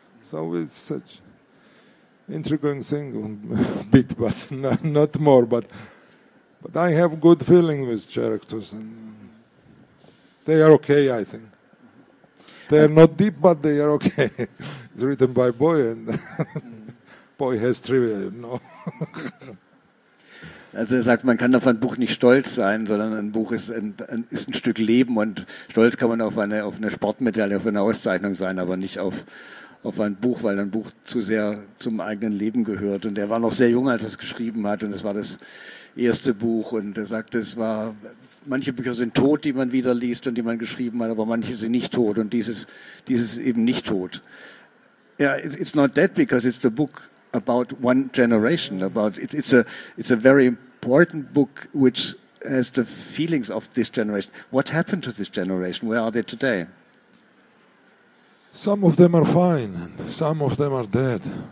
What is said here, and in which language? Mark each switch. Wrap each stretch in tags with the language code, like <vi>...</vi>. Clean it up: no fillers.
<en>So it's such intriguing thing a bit, but not more. But I have good feeling with characters. And they are okay, I think. They are not deep, but they are okay. It's written by boy, and boy has trivia, you know.</en> <de>Also er sagt, man kann auf ein Buch nicht stolz sein, sondern ein Buch ist ein Stück Leben, und stolz kann man auf eine Sportmedaille, auf eine Auszeichnung sein, aber nicht auf ein Buch, weil ein Buch zu sehr zum eigenen Leben gehört. Und er war noch sehr jung, als er es geschrieben hat, und es war das erste Buch, und er sagte, manche Bücher sind tot, die man wieder liest und die man geschrieben hat, aber manche sind nicht tot, und dieses eben nicht tot.</de> <en>Yeah, it's not dead because it's the book about one generation, about it, it's a very important book which has the feelings of this generation. What happened to this generation? Where are they today? Some of them are fine, and some of them are dead.</en>